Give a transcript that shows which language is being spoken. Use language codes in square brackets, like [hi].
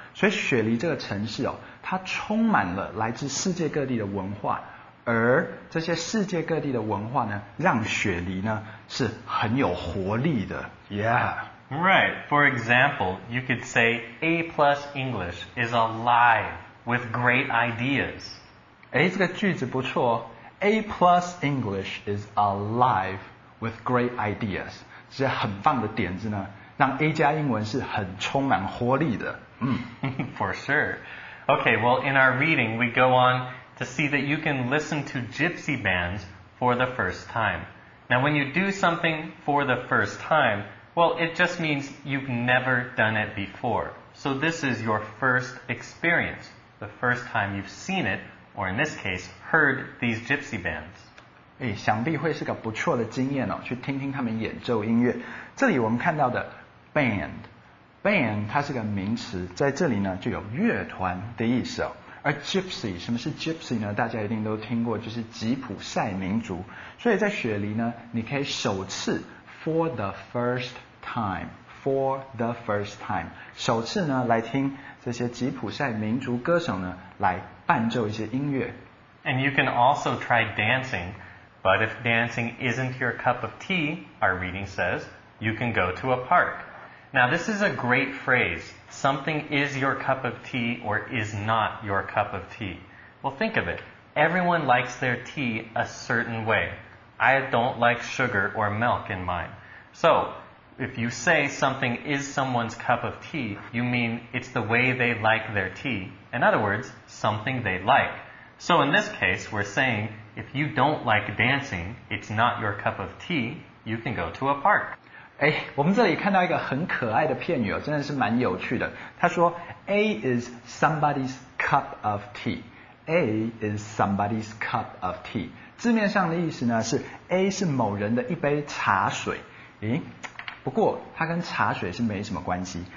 [zh] 所以雪梨这个城市哦，它充满了来自世界各地的文化，而这些世界各地的文化呢让雪梨呢是很有活力的。 [en] Yeah Right. For example, you could say A plus English is alive with great ideas. [zh] 诶，这个句子不错哦。 [en] A plus English is alive with great ideas. [zh] 这些很棒的点子呢，让 A 加英文是很充满活力的。 [en] For sure. Okay, well, in our reading, we go on to see that you can listen to gypsy bands for the first time. Now, when you do something for the first time,Well, it just means you've never done it before. So this is your first experience, the first time you've seen it, or in this case, heard these gypsy bands. [zh] 诶，想必会是个不错的经验哦，去听听他们演奏音乐。这里我们看到的 band, band 它是个名词，在这里呢就有乐团的意思哦。而 gypsy, 什么是 gypsy 呢？大家一定都听过，就是吉普赛民族。所以在雪梨呢，你可以首次 [en] For the first time, for the first time. [zh] 首次呢来听这些吉普赛民族歌手呢来伴奏一些音乐。 [en] And you can also try dancing, but if dancing isn't your cup of tea, our reading says, you can go to a park. Now, this is a great phrase. Something is your cup of tea or is not your cup of tea. Well, think of it. Everyone likes their tea a certain way. I don't like sugar or milk in mine. So, if you say something is someone's cup of tea, you mean it's the way they like their tea. In other words, something they like. So in this case, we're saying, if you don't like dancing, it's not your cup of tea, you can go to a park. [zh] 哎，我们这里看到一个很可爱的片语哦，真的是蛮有趣的。 [en] 他说 A is somebody's cup of tea. A is somebody's cup of tea. [zh] 字面上的意思呢是 A 是某人的一杯茶水。诶，不过它跟茶水是没什么关系。